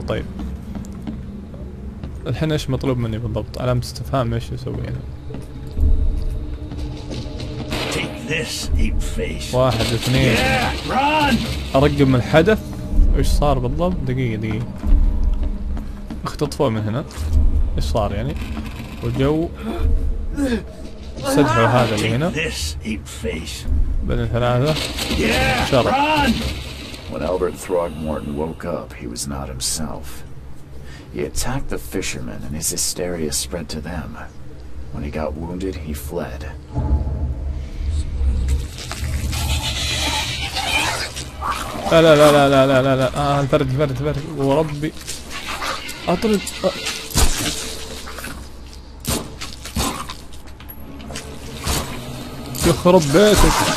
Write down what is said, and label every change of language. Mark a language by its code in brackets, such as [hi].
[ar] طيب الحين ايش مطلوب مني بالضبط؟ علامه استفهام ايش اسوي هنا؟ واحد اثنين ارقب من الحدث. ايش صار بالضبط؟ دقيقة دقيقة اختطفوا من هنا. ايش صار يعني؟ وجو سدحوا هذا اللي هنا بين ثلاثة شرط. [en] When Albert Throgmorton woke up he was not himself. He attacked the fishermen and his hysteria spread to them. When he got wounded he fled. [ar] لا لا لا لا لا لا لا لا انفرد انفرد انفرد وربي اطرد. يخرب بيتك.